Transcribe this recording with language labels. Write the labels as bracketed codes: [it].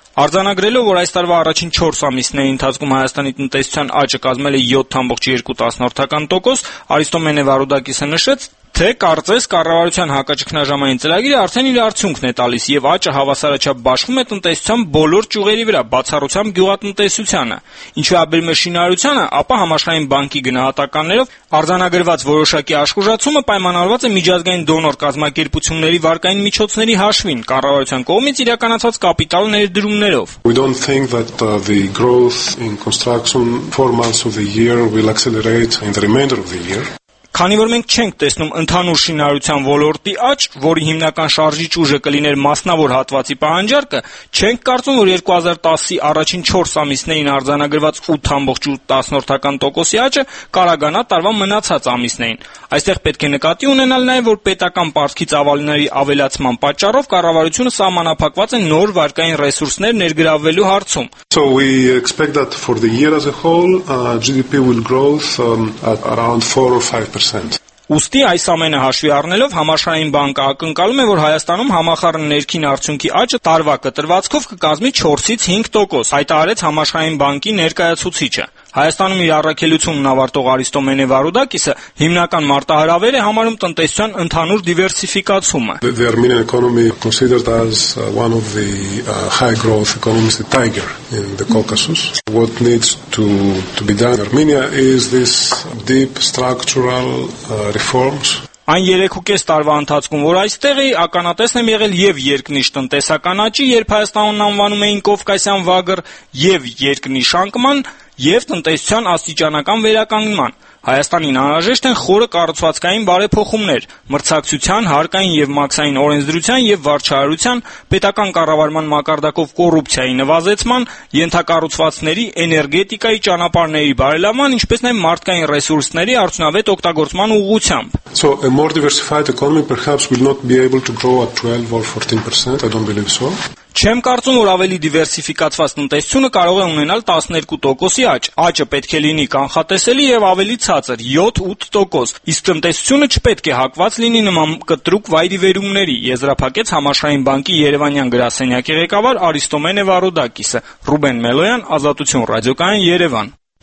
[hy] Արձանագրելով, որ այս տարվա առաջին 4 ամիսների ընթացքում Հայաստանի տնտեսության աճը կազմել է 7.2%, Արիստոմենե Վարուդակիսը նշեց, թե կարծես կառավարության հակաճգնաժամային ծրագիրը արդեն իր արդյունքն է տալիս և աճը հավասարաչափ բաշխում է տնտեսության բոլոր ճյուղերի վրա, բացառությամբ գյուղատնտեսությանը։ Ինչու աբերմ շինարարությանը, ապա համաշխարհային բանկի գնահատականներով արձանագրված որոշակի աշխուժացումը պայմանավորված է միջազգային դոնոր կազմակերպությունների վարկային միջոցների հաշվին, կառավարության կողմից իրականացված կապիտալ ներդրումներով։ [en] We don't think that the growth in construction 4 months of the year will accelerate in the remainder of the year. [hy] Քանի որ մենք չենք տեսնում ընդհանուր շինարարության ոլորտի աճ, որի հիմնական շարժիչ ուժը կլիներ մասնավոր հատվածի պահանջարկը, չենք կարծում, որ 2010-ի առաջին 4 ամիսներին արձանագրված 8.8%-ի աճը կարագանա տարվա մնացած ամիսներին։ Այստեղ պետք է նկատի ունենալ նաև, որ պետական պարտքի ծավալների ավելացման պատճառով կառավարությունը սահմանափակված է նոր վարկային ռեսուրսներ ներգրավելու հարցում։ [en] So we expect that for the year as a whole, GDP will grow at around 4 or 5%. [hy] Ուստի այս ամենը հաշվի առնելով համաշխարհային բանկը ակնկալում է, որ Հայաստանում համախառն ներքին արդյունքի աճը տարվա կտրվածքով կկազմի 4-ից 5%, հայտարարեց համաշխարհային բանկի ներկայացուցիչը։ Հայաստանում իր առաքելությունն ավարտող Արիստոմենե Վարուդակիսը հիմնական մարտահրավեր է համարում տնտեսության ընդհանուր դիվերսիֆիկացումը։ [en] The Armenian economy is considered as one of the high growth economies, the tiger in the Caucasus. What needs to be done in Armenia is this deep structural reforms. [hy] Այն 3.5 տարվա ընթացքում, որ այստեղի, ականատեսն եմ եղել և երկնիշ տնտեսական աճի, երբ Հայաստանն անվանում էին Կովկասյան վագր, և երկնիշ շանկման և տնտեսության աստիճանական վերականգնման։ Հայաստանին անհրաժեշտ են խորը կառուցվածքային բարեփոխումներ, մրցակցության, հարկային և մաքսային օրենսդրության և վարչարարության, պետական կառավարման մակարդակով կոռուպցիայի նվազեցման, ենթակառուցվածքների, էներգետիկայի ճանապարհների բարելավման, ինչպես նաև մարդկային ռեսուրսների արդյունավետ օգտագործման ուղղությամբ։ [en] So a more diversified economy perhaps will not be able to grow at 12 or 14%, I don't believe so. [hy] Չեմ կարծում, որ ավելի դիվերսիֆիկացված տնտեսությունը կարող է ունենալ 12% աճ։ Աճը պետք է լինի կանխատեսելի և ավելի ցածր 7-8%, իսկ տնտեսությունը չպետք է հակված լինի նման կտրուկ վայրի վերումների, եզրափակեց համաշխարհային բանկի Երևանյան գրասենյակի ղեկավար Արիստոմենե Վարուդակիսը։ Ռուբեն Մելոյան, Ազատություն ռադիոկայան, Երևան։